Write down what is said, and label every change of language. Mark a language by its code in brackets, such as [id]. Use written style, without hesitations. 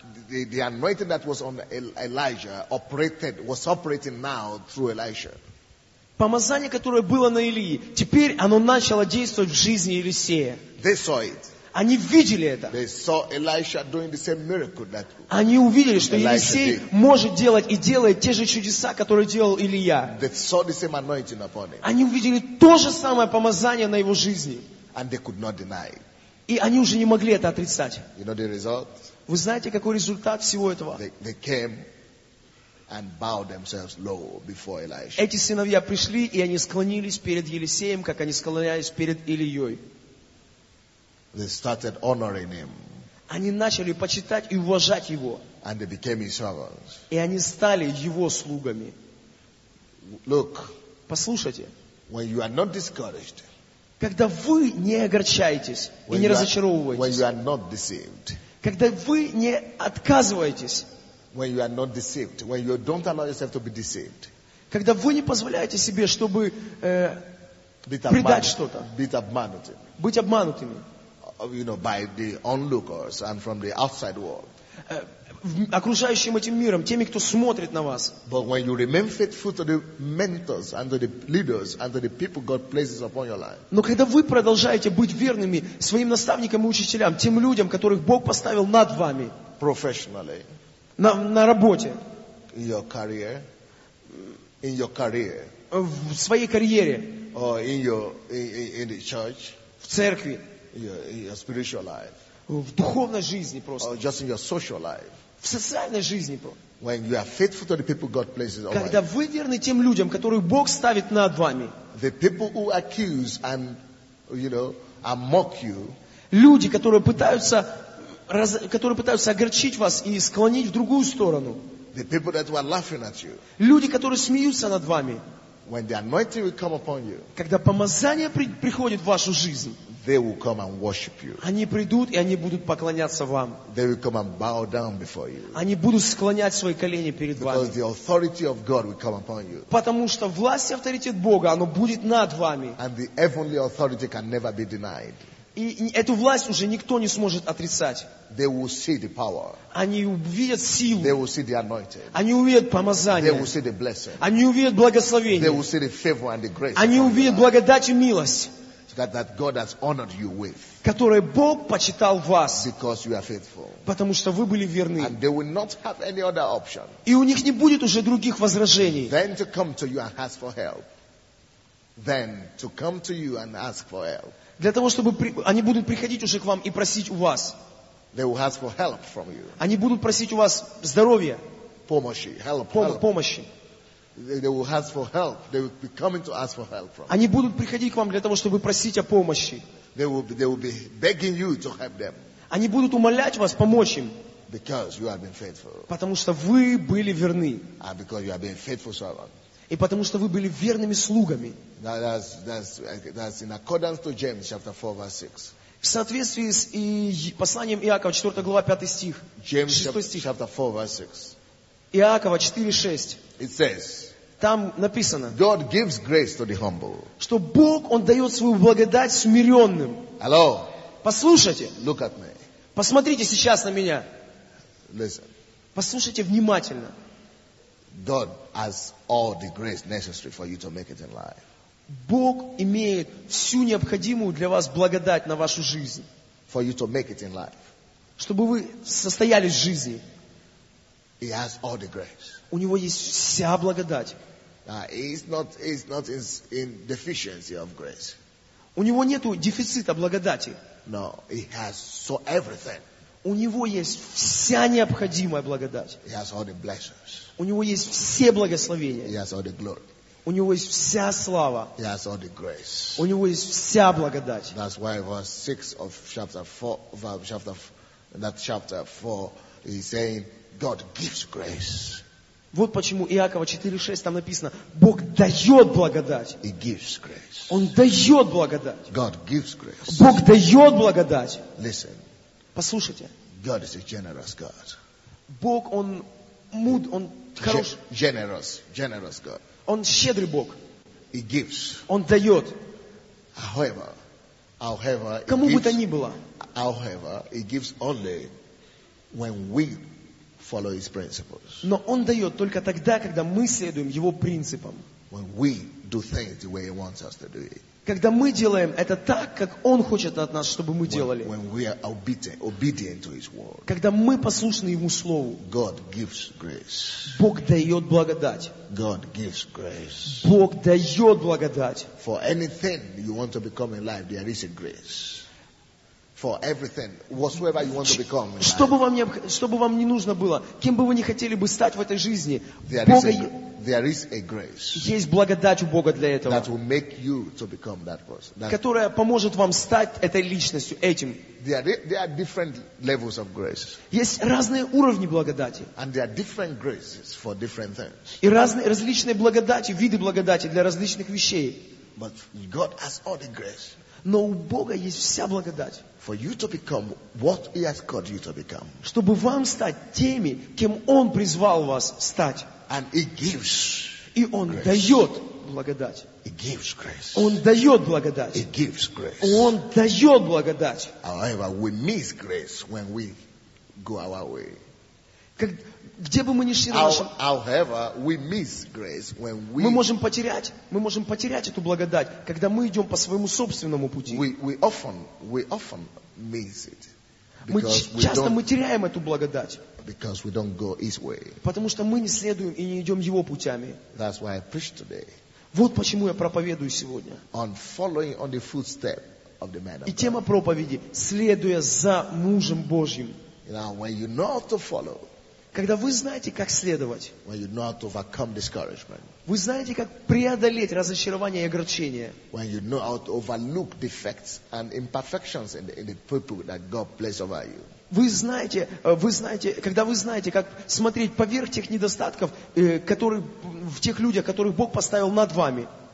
[en] The anointing that was on Elijah was operating now through Elisha. [ru] Помазание, которое было на Илии, теперь оно начало действовать в жизни Елисея. [en] They saw it. [ru] Они видели это. [en] They saw Elisha doing the same miracle that [ru] они увидели, что Елисей может делать и делает те же чудеса, которые делал Илия. [en] They saw the same anointing upon him. [ru] Они увидели то же самое помазание на его жизни. [en] And they could not deny it. [ru] И они уже не могли это отрицать. [en] You know the result? [ru] Вы знаете, какой результат всего этого? [en] They came and bowed themselves low before Elisha. [ru] Эти сыновья пришли, и они склонились перед Елисеем, как они склонялись перед Илией. [en] They started honoring him. [ru] Они начали почитать и уважать его. [en] And they became his servants. [ru] И они стали его слугами. [en] Look, [ru] послушайте. [en] When you are not discouraged, [ru] когда вы не огорчаетесь и не разочаровываетесь, [en] when you are not deceived, [ru] когда вы не отказываетесь, [en] when you are not deceived, when you don't allow yourself to be deceived, [ru] когда вы не позволяете себе, чтобы предать что-то, быть обманутыми, [en] you know, by the onlookers and from the outside world, [ru] окружающим этим миром, теми, кто смотрит на вас. [en] But when you remain faithful to the mentors and to the leaders and to the people God places upon your life. [ru] Но когда вы продолжаете быть верными своим наставникам и учителям, тем людям, которых Бог поставил над вами. [en] Professionally. [ru] На работе. [en] In your career. In your career. [ru] В своей карьере. [en] Or in the church. [ru] В церкви. [en] In your spiritual life. [ru] В духовной жизни просто. [en] Or just in your social life. [ru] В социальной жизни. [en] When you are faithful to the people God places over you. [ru] Когда вы верны тем людям, которых Бог ставит над вами. [en] The people who accuse and, you know, and mock you. [ru] Люди, которые пытаются огорчить вас и склонить в другую сторону. [en] The people that were laughing at you. [ru] Люди, которые смеются над вами. [en] when the anointing will come upon you, [ru] когда помазание приходит в вашу жизнь, [en] they will come and worship you. [ru] Они придут и они будут поклоняться вам. [en] They will come and bow down before you. [ru] Они будут склонять свои колени перед вами. [en] Because the authority of God will come upon you. [ru] Потому что власть и авторитет Бога, оно будет над вами. [en] And the heavenly authority can never be denied. [ru] И эту власть уже никто не сможет отрицать. [en] They will see the power. [ru] Они увидят силу. [en] They will see the anointing. [ru] Они увидят помазание. [en] They will see the blessing. [ru] Они увидят благословение. [en] They will see the favor and the grace. [ru] Они увидят благодать и милость. [en] That God has honored you with, [ru] которые Бог почитал вас, [en] because you are faithful, [ru] потому что вы были верны, [en] and they will not have any other option, [ru] и у них не будет уже других возражений, [en] than to come to you and ask for help, than to come to you and ask for help, [ru] для того чтобы они будут приходить уже к вам и просить у вас, [en] they will ask for help from you, [ru] они будут просить у вас здоровья, помощи, help, помощи. [en] They will ask for help. They will be coming to ask for help from. [ru] Они будут приходить к вам для того, чтобы просить о помощи. [en] They will be begging you to help them. [ru] Они будут умолять вас помочь им. [en] Because you have been faithful. [ru] Потому что вы были верны. [en] And because you have been faithful servant. [ru] И потому что вы были верными слугами. [en] That's in accordance to James chapter 4 verse 6. [ru] В соответствии с посланием Иакова 4 глава 5 стих. [en] James chapter 4 verse 6. [ru] Иакова 4:6. [en] It says, [ru] там написано, [en] God gives grace to the humble. [ru] Что Бог, Он дает свою благодать смиренным. [en] Hello. [ru] Послушайте. [en] Look at me. [ru] Посмотрите сейчас на меня. [en] Listen. [ru] Послушайте внимательно. [en] God has all the grace necessary for you to make it in life. [ru] Бог имеет всю необходимую для вас благодать на вашу жизнь. [en] For you to make it in life. [ru] Чтобы вы состоялись в жизни. [en] He has all the grace. [ru] У него есть вся благодать. [en] He's not in deficiency of grace. [ru] У него нету дефицита благодати. [en] No, he has so everything. [ru] У него есть вся необходимая благодать. [en] He has all the blessings. [ru] У него есть все благословения. [en] He has all the glory. [ru] У него есть вся слава. [en] He has all the grace. [ru] У него есть вся благодать. [en] That's why verse 6 of chapter 4, he's saying, God gives grace. [ru] Вот почему Иакова 4:6 там написано: Бог дает благодать. [en] He gives grace. [ru] Он дает благодать. [en] God gives grace. [ru] Бог дает благодать. [en] Listen. [ru] Послушайте. [en] God is a generous God. [ru] Бог, Он муд, Он хорош. [en] Generous, generous God. [ru] Он щедрый Бог. [en] He gives. [ru] Он дает. [en] However, [ru] кому бы то ни было. [en] However, He gives only when we follow His principles. [ru] Но Он дает только тогда, когда мы следуем Его принципам. [en] When we do things the way He wants us to do it. [ru] Когда мы делаем это так, как Он хочет от нас, чтобы мы делали. [en] When we are obedient to His word. [ru] Когда мы послушны Ему слову. [en] God gives grace. [ru] Бог дает благодать. [en] God gives grace. [ru] Бог дает благодать. [en] For anything you want to become in life, there is a grace. For everything, whatsoever you want to become. [ru] Что бы вам не нужно было, кем бы вы не хотели бы стать в этой жизни, [en] there is a grace. [ru] Есть благодать у Бога для этого. [en] That will make you to become that person. [ru] Которая поможет вам стать этой личностью, этим. [en] There are different levels of grace. [ru] Есть разные уровни благодати. [en] And there are different graces for different things. [ru] И различные благодати, виды благодати для различных вещей. [en] But God has all the grace. [ru] Но у Бога есть вся благодать. [en] For you to become what He has called you to become. [ru] Чтобы вам стать теми, кем Он призвал вас стать. [en] And He gives. [ru] И Он дает благодать. [en] He gives grace. [ru] Он дает благодать. [en] He gives grace. [ru] Он дает благодать. [en] However, we miss grace when we go our way. [ru] Где бы мы ни шли на нашем... [en] However, we miss grace when we... [ru] Мы можем потерять эту благодать, когда мы идем по своему собственному пути. [en] We often miss it. [ru] Мы теряем эту благодать. [en] Because we don't go His way. [ru] Потому что мы не следуем и не идем Его путями. [en] That's why I preach today. [ru] Вот почему я проповедую сегодня. [en] On following on the footstep of the man of [ru] God. И тема проповеди – следуя за мужем Божьим. [en] Now, when you know how to follow, [ru] когда вы знаете, как следовать, [en] when you know how to overcome discouragement, [ru] вы знаете, как преодолеть разочарование и огорчение, [en] when you know how to overlook defects and imperfections in the people that God places over you, [ru] Вы знаете, когда вы знаете, как смотреть поверх тех недостатков, которые в тех людях, которых Бог поставил над вами.